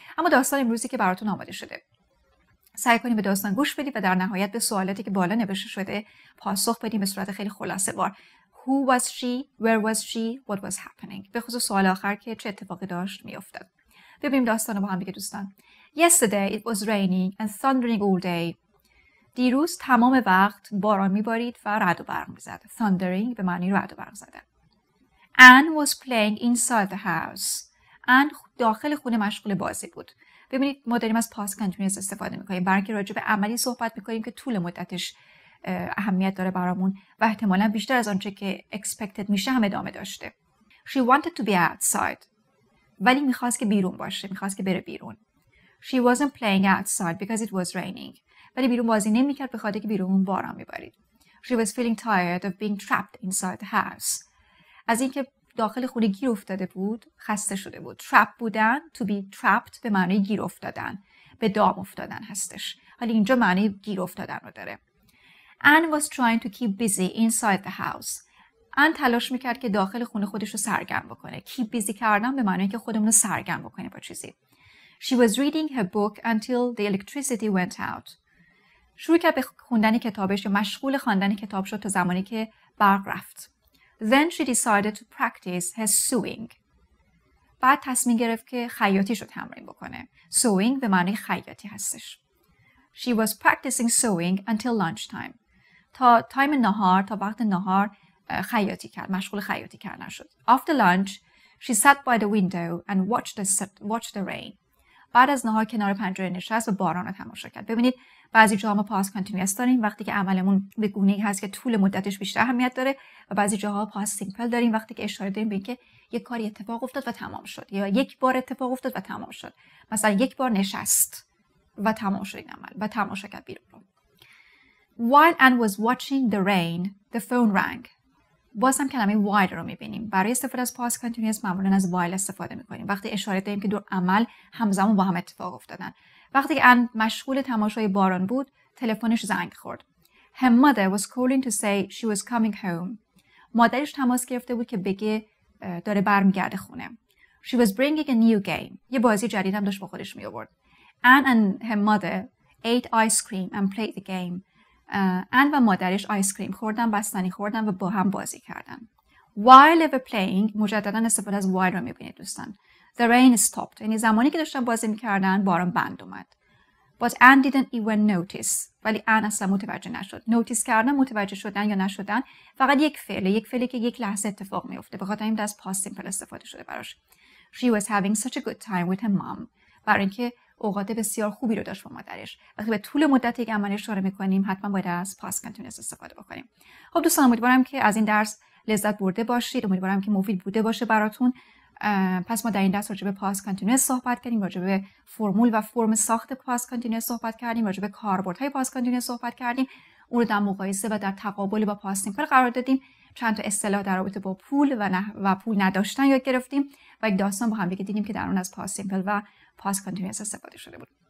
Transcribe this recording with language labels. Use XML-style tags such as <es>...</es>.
<fa>اما داستان امروزی که براتون آماده شده، سعی کنیم به داستان گوش بدیم و در نهایت به سوالاتی که بالا نوشته شده پاسخ بدیم به صورت خیلی خلاصه وار.</fa> <en>Who was she? Where was she? What was happening?</en> <fa>به خصوص سوال آخر که چه اتفاقی داشت می افتد. ببینیم داستان رو با هم دیگه دوستان.</fa> <en>Yesterday it was raining and thundering all day.</en> <fa>دیروز تمام وقت باران می بارید و رعد و برق می زد. Thundering به معنی رعد و برق زدن.</fa> <en>Anne was playing inside the house.</en> <fa>Anne داخل خونه مشغول بازی بود. ببینید ما داریم از past continuous استفاده می کنیم. برای که راجع به عملی صحبت می کنیم که طول مدتش اهمیت داره برامون و احتمالا بیشتر از آنچه که expected میشه هم ادامه داشته.</fa> <en>She wanted to be outside.</en> <fa>ولی میخواست که بیرون باشه. میخواست که بره بیرون.</fa> <en>She wasn't playing outside because it was raining.</en> <fa>ولی بیرون بازی نمیکرد به خاطر که بیرون باران میبارید.</fa> <en>She was feeling tired of being trapped inside the house.</en> <fa>از اینکه داخل خونه گیر افتاده بود خسته شده بود. Trapped بودن، to be trapped به معنی گیر افتادن، به دام افتادن هستش. حالا اینجا معنی گیر افتادن رو داره.</fa> <en>Anne was trying to keep busy inside the house.</en> <fa>Anne تلاش میکرد که داخل خونه خودش رو سرگرم بکنه.</fa> <en>Keep busy</en> <fa>کردن به معنی که خودمون رو سرگرم بکنه با چیزی.</fa> <en>She was reading her book until the electricity went out.</en> <fa>شروع کرد به خوندن کتابش، مشغول خواندن کتاب شد تا زمانی که برق رفت.</fa> <en>Then she decided to practice her sewing.</en> <fa>بعد تصمیم گرفت که خیاطیشو تمرین بکنه. Sewing به معنی خیاطی هستش.</fa> <en>She was practicing sewing until lunchtime.</en> <fa>تا تایم نهار، تا وقت نهار خیاطی کرد، مشغول خیاطی کردن شد.</fa> <en>After lunch, she sat by the window and watched the rain.</en> <fa>بعد از نهار کنار پنجره نشست و باران رو تماشا کرد. ببینید بعضی جاها ما پاس کانتینیوس داریم وقتی که عملمون به گونه‌ای هست که طول مدتش بیشتر اهمیت داره و بعضی جاها پاس سیمپل داریم وقتی که اشاره داریم به اینکه یک کاری اتفاق افتاد و تمام شد یا یک بار اتفاق افتاد و تمام شد. مثلا یک بار نشست و تمام شد این عمل و تماشا کرد بیرون رو.</fa> <en>While Anne was watching the rain, the phone rang.</en> <fa>باز هم کلمه while رو میبینیم. برای استفاده از past continuous معمولاً از while استفاده میکنیم. وقتی اشاره داریم که دو عمل همزمان با هم اتفاق افتادن. وقتی که Anne مشغول تماشای باران بود، تلفنش زنگ خورد.</fa> <en>Her mother was calling to say she was coming home.</en> <fa>مادرش تماس گرفته بود که بگه داره برمیگرده خونه.</fa> <en>She was bringing a new game.</en> <fa>یه بازی جدید هم داشت با خودش میآورد.</fa> <en>Anne and her mother ate ice cream and played the game.</en> <fa>آن و مادرش آیس کریم خوردن، بستنی خوردن و با هم بازی کردن.</fa> <en>While they were playing،</en> <fa>مجدداً استفاده از while رو میبینید دوستان.</fa> <en>The rain stopped.</en> <fa>یعنی زمانی که داشتن بازی میکردن، باران بند اومد.</fa> <en>But Anne didn't even notice.</en> <fa>ولی آن اصلا متوجه نشد. Notice کردن، متوجه شدن یا نشدن، فقط یک فعل، یک فعلی که یک لحظه اتفاق میفته. به خاطر این دست past simple استفاده شده براش.</fa> <en>She was having such a good time with her mom.</en> <fa>برای اینکه اوقات بسیار خوبی رو داشت با مادرش. وقتی به طول مدت یک عمل اشاره میکنیم حتما باید از پاس کانتینیوس استفاده بکنیم. خب دوستان امیدوارم که از این درس لذت برده باشید. امیدوارم که مفید بوده باشه براتون. پس ما در این درس راجع به پاس کانتینیوس صحبت کردیم، راجع به فرمول و فرم ساخت پاس کانتینیوس صحبت کردیم، راجع به کاربردهای پاس کانتینیوس صحبت کردیم، اون رو در مقایسه و در تقابل با پاس سیمپل قرار دادیم، چند تا اصطلاح در رابطه با پول و پول نداشتن یاد گرفتیم و یک داستان با هم دیگه دیدیم که در اون از پاس سیمپل و پاس کانتینیوس استفاده شده بود.</fa>